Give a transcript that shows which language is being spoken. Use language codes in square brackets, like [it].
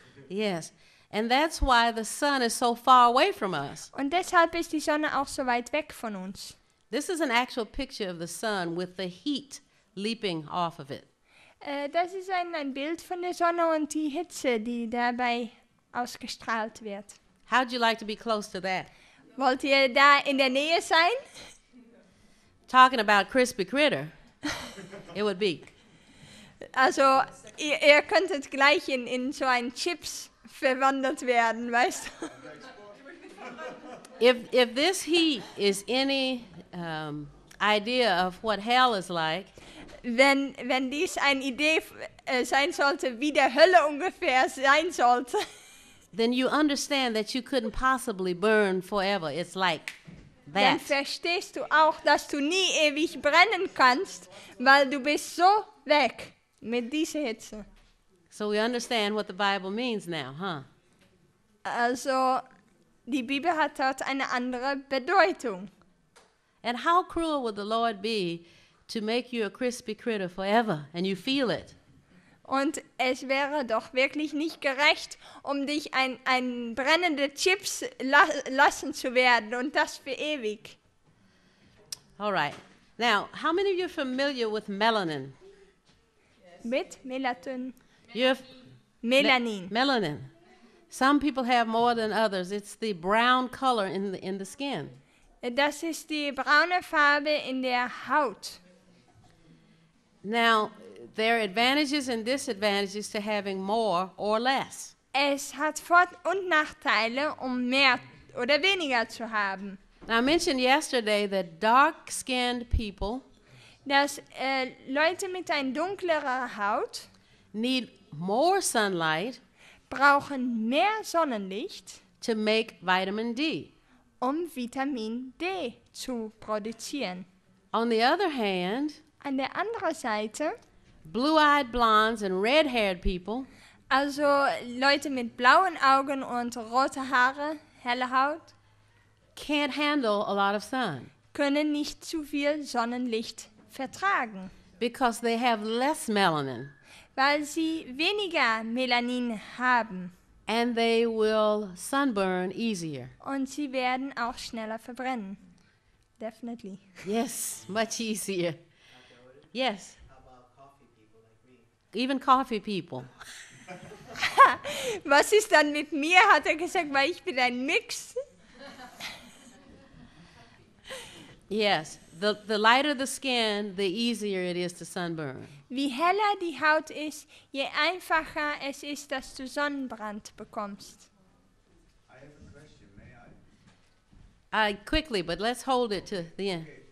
[en] Yes, and that's why the sun is so far away from us. [de] Und deshalb ist die Sonne auch so weit weg von uns. [en] This is an actual picture of the sun with the heat leaping off of it. [de] Das ist ein Bild von der Sonne und die Hitze, die dabei ausgestrahlt wird. [en] How'd you like to be close to that? [de] Wollt ihr da in der Nähe sein? [en] Talking about crispy critter, it would be. [de] Also, ihr könntet gleich in so ein Chips verwandelt werden, weißt du? [en] If this heat is any idea of what hell is like, [de] wenn dies eine Idee sein sollte, wie der Hölle ungefähr sein sollte, [en] then you understand that you couldn't possibly burn forever. It's like that. [de] Dann verstehst du auch, dass du nie ewig brennen kannst, weil du bist so weg mit dieser Hitze. [en] So we understand what the Bible means now, huh? [de] Also, die Bibel hat dort eine andere Bedeutung. [en] And how cruel would the Lord be to make you a crispy critter forever and you feel it? [de] Und es wäre doch wirklich nicht gerecht, um dich ein brennende Chips lassen zu werden und das für ewig. [en] All right. Now, how many of you are familiar with melanin? Yes. [de] Mit Melatonin. [en] Melanin. Melanin. Some people have more than others. It's the brown color in the skin. [de] Das ist die braune Farbe in der Haut. [en] Now, there are advantages and disadvantages to having more or less. [de] Es hat Vor- und Nachteile, um mehr oder weniger zu haben. [en] Now, I mentioned yesterday that dark-skinned people, [de] dass Leute mit einer dunklerer Haut, [en] need more sunlight, [de] brauchen mehr Sonnenlicht, [en] to make vitamin D, [de] um Vitamin D zu produzieren. [en] On the other hand, [de] an der anderen Seite, [en] blue-eyed blondes and red-haired people, [de] also Leute mit blauen Augen und roten Haare, helle Haut, [en] can't handle a lot of sun, [de] können nicht zu viel Sonnenlicht vertragen, [en] because they have less melanin, [de] weil sie weniger Melanin haben, [en] and they will sunburn easier, [de] und sie werden auch schneller verbrennen, definitely. [en] Yes, much easier. Yes. Even coffee people. [de] Was ist dann mit mir, hat gesagt, weil ich bin ein Mix. [en] Yes, the lighter the skin, the easier it is to sunburn. [de] Wie heller die Haut ist, je einfacher es ist, dass du Sonnenbrand bekommst. [en] I have a question, may I? Quickly, but let's hold it to the end.